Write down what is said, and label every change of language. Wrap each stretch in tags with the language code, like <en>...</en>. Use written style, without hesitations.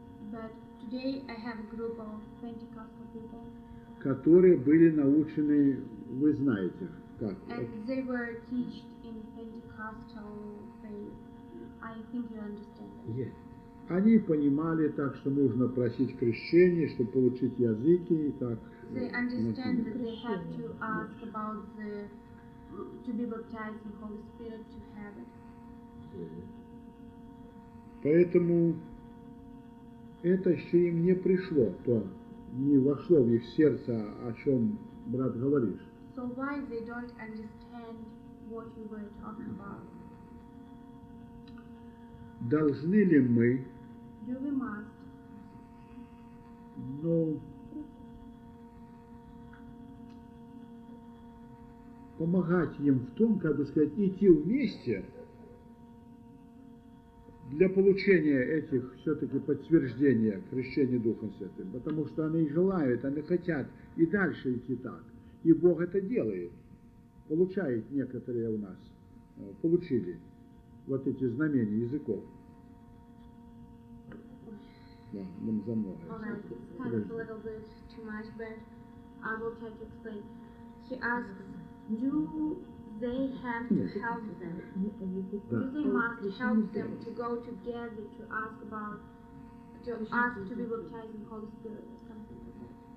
<en>But today I have a group of Pentecostal people.</en> <ru>Которые были научены, вы знаете, как.</ru> <en>And they were taught in Pentecostal faith. I think you understand that. Yes.</en> <ru>Они понимали так, что нужно просить крещение, чтобы получить языки и так.</ru> <en>They understand that they have to ask about the to be baptized in Holy Spirit to have it.</en> <ru>Поэтому это еще им не пришло, то не вошло в их сердце, о чем брат говоришь.</ru> <en>So why they don't understand what you were talking about?</en> <ru>Должны ли мы?</ru> <en>Do we must?</en> <ru>Ну, помогать им в том, как бы сказать, идти вместе для получения этих все-таки подтверждения крещения Духом Святым, потому что они желают, они хотят и дальше идти так, и Бог это делает, получает некоторые у нас, получили вот эти знамения языков. Да,</ru> <en>well, it's a little bit too much, but I will try to explain. He asks, do they have to help them? Do they must help them to go together to ask about, to ask to be baptized in the Holy Spirit or something like that?</en>